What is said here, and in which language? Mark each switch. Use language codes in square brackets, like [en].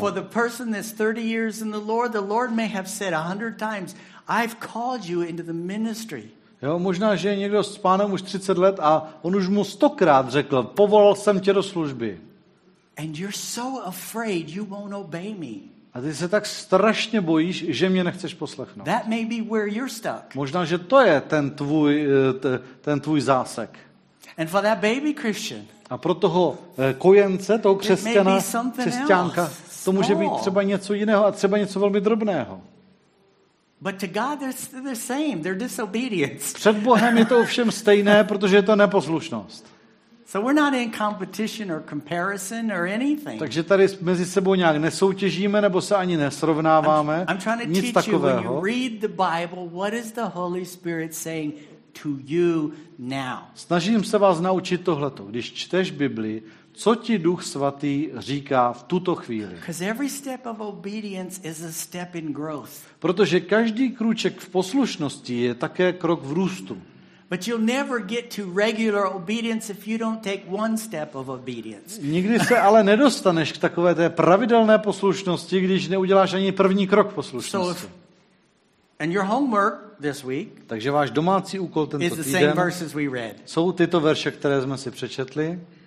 [en] For the person that's 30 years in the Lord may have said 100 times, I've called you into the ministry. [cs] Jo, možná že je někdo s pánem už 30 let a on už mu 100krát řekl, povolal jsem tě do služby. [en] And you're so afraid you won't obey me. [cs] A ty se tak strašně bojíš, že mě nechceš poslechnout. [en] That may be where you're stuck. [cs] Možná že to je ten tvůj zásek. [en] And for that baby Christian. [cs] A pro toho kojence, toho křesťana, křesťanka, to může být třeba něco jiného a třeba něco velmi drobného. [en] But to God it's the same, they're disobedience. [cs] Před Bohem je to ovšem stejné, protože je to neposlušnost. [en] So we're not in competition or comparison or anything. [cs] Takže tady mezi sebou nějak nesoutěžíme nebo se ani nesrovnáváme. [en] I'm trying to teach you, when you read the Bible, what is the Holy Spirit saying to you now? [cs] Snažím se vás naučit tohleto. Když čteš Bibli, co ti Duch svatý říká v tuto chvíli? [en] Because every step of obedience is a step in growth. [cs] Protože každý krůček v poslušnosti je také krok v růstu. [en] But you'll never get to regular obedience if you don't take one step of obedience. [cs] Nikdy se ale nedostaneš k takové té pravidelné poslušnosti, když neuděláš ani první krok poslušnosti. [en] And your homework this week. [cs] Takže váš domácí úkol tento týden. [en] Is the same verses we read. [cs] Jsou tyto verše, které jsme si přečetli.